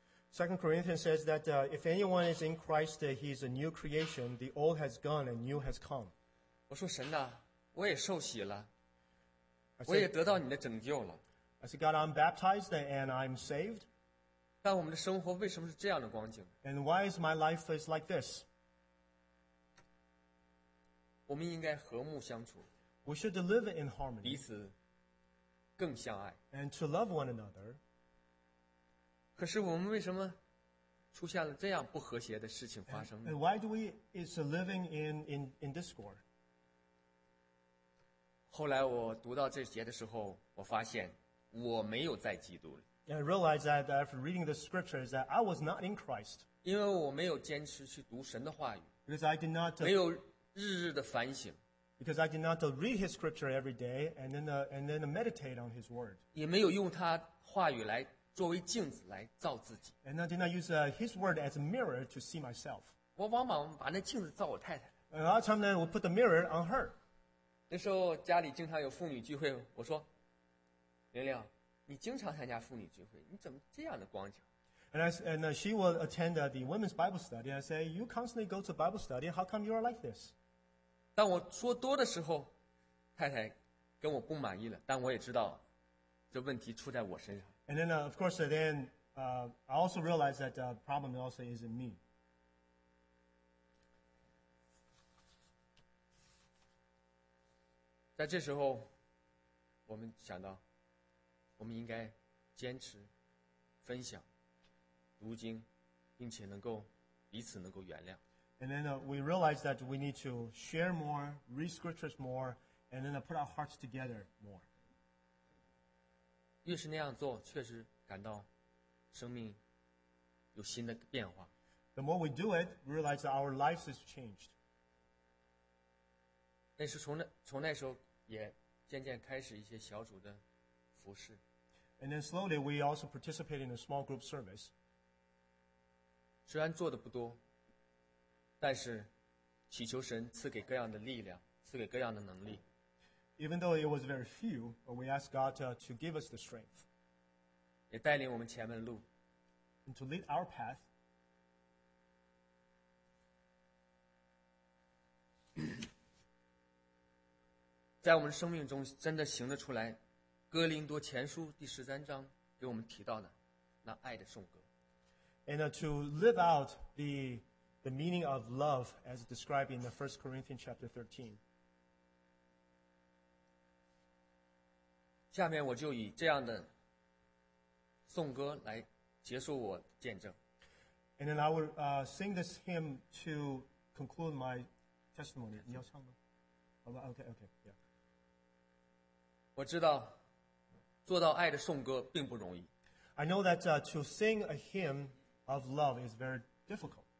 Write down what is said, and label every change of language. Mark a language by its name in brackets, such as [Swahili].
[English] Second Corinthians says that if anyone is in Christ, he is a new creation. The old has gone and new has come. [Chinese] 我说神啊，我也受洗了，我也得到你的拯救了。 [English] I said, God, I'm baptized and I'm saved. [Chinese] 但我们的生活为什么是这样的光景？ [English] And why is my life is like this? [Chinese] 我们应该和睦相处。 [English] We should live in harmony. [Chinese] 彼此更相爱。 [English] And to love one another. [Chinese] 可是我们为什么出现了这样不和谐的事情发生呢？ [English] And why do we is living in discord? [Chinese] 后来我读到这节的时候，我发现我没有在基督里。 [English] And I realized that after reading the scriptures that I was not in Christ. [Chinese] 因为我没有坚持去读神的话语。 [English] Because I did not [Chinese] 没有日日的反省。 [English] Because I did not read His scripture every day and then meditate on His word. [Chinese] 也没有用他话语来。作为镜子来照自己。 [English] And I did not use his word as a mirror to see myself. [Chinese] 我往往把那镜子照我太太。 [English] And a lot of time then, we'll put the mirror on her. [Chinese] 那时候家里经常有妇女聚会，我说，玲玲，你经常参加妇女聚会，你怎么这样的光景？ [English] And she will attend the women's Bible study. I say, you constantly go to Bible study. How come you are like this? [Chinese] 当我说多的时候，太太跟我不满意了，但我也知道这问题出在我身上。 [English] And then, of course, then I also realized that the problem also is in me. [Chinese] 在这时候，我们想到，我们应该坚持分享读经，并且能够彼此能够原谅。 [English] And then we realized that we need to share more, read scriptures more, and then put our hearts together more. [Chinese] 越是那样做，确实感到生命有新的变化。 [English] The more we do it, we realize that our lives is changed. [Chinese] 但是从那时候，也渐渐开始一些小组的服事。 [English] And then slowly, we also participate in a small group service. [Chinese] 虽然做的不多，但是祈求神赐给各样的力量，赐给各样的能力。 [English] Even though it was very few, we asked God to give us the strength. [Chinese] 也带领我们前面的路。 [English] And to lead our path. [Chinese] 在我们生命中真的行得出来哥林多前书第十三章给我们提到的那爱的颂歌。 [English] And to live out the meaning of love as described in the 1 Corinthians chapter 13. [Chinese] 下面我就以这样的颂歌来结束我见证。 [English] And then I will sing this hymn to conclude my testimony. [Chinese] 你要唱吗？我知道做到爱的颂歌并不容易。 [English] I know that to sing a hymn of love is very difficult.